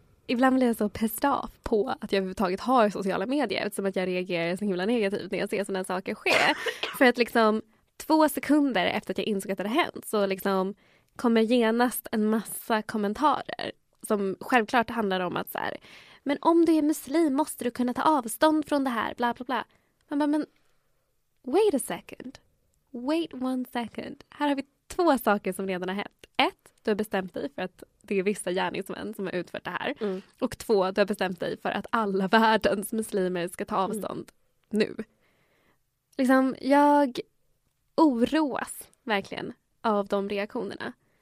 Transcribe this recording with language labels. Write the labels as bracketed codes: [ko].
[sv] Ibland blir jag så pissed off på att jag överhuvudtaget har sociala medier eftersom att jag reagerar så himla negativt när jag ser sådana saker ske. För att liksom 2 sekunder efter att jag insåg att det hänt så liksom kommer genast en massa kommentarer som självklart handlar om att så här, men om du är muslim måste du kunna ta avstånd från det här, bla bla bla. Man bara, men wait a second. [en] Wait one second. [sv] Här har vi 2 saker som redan har hänt. 1, du har bestämt dig för att det är vissa gärningsmän som har utfört det här. Mm. Och 2, du har bestämt dig för att alla världens muslimer ska ta avstånd nu. Liksom, jag oroas verkligen av de reaktionerna.